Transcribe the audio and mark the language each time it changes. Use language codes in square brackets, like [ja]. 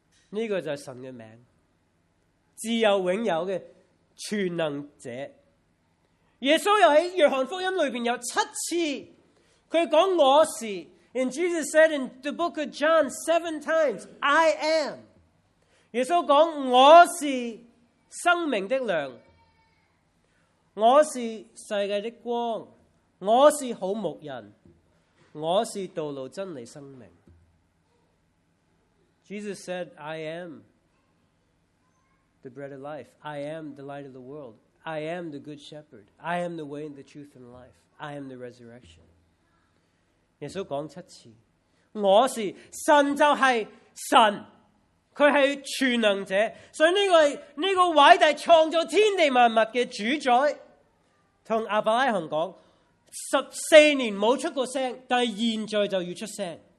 [zh] 这个就是神的名，自有永有的全能者。耶稣又在约翰福音里面有七次他说我是。 [en] And Jesus said in the book of John 7 times, I am. [zh] 耶稣说我是生命的粮，我是世界的光，我是好牧人，我是道路真理生命。 [en] Jesus said, I am the bread of life. I am the light of the world. I am the good shepherd. I am the way, the truth, and the life. I am the resurrection. [zh] 耶稣说七次，我是，神就是神，他是全能者。所以这个伟大创造天地万物的主宰，跟亚伯拉罕说，14年没出过声，但是现在就要出声。